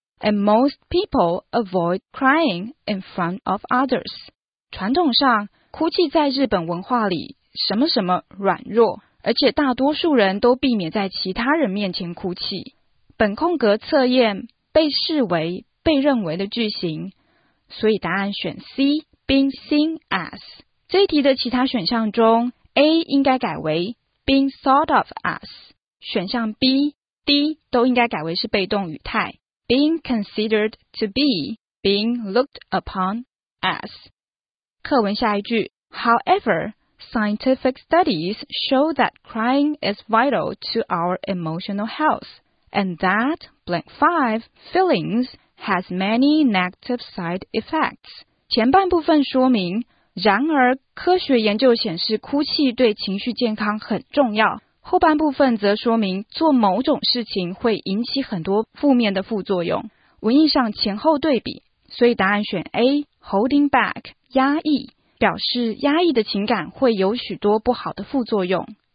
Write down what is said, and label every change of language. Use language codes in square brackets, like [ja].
[en] And most people avoid crying in front of others. [zh] 传统上，哭泣在日本文化里什么什么软弱，而且大多数人都避免在其他人面前哭泣。本空格测验被视为被认为的句型，所以答案选 C, [en] being seen as. [zh] 这一题的其他选项中 ，A 应该改为 [en] being thought of as. [zh] 选项 B、D 都应该改为是被动语态。 [en] Being considered to be, being looked upon as. [zh] 课文下一句 [en] However, scientific studies show that crying is vital to our emotional health, and that blank five feelings has many negative side effects. [zh] 前半部分说明，然而科学研究显示哭泣对情绪健康很重要。后半部分则说明做某种事情会引起很多负面的副作用。文意上前后对比，所以答案选 A, [en] holding back, [zh] 压抑，表示压抑的情感会有许多不好的副作用。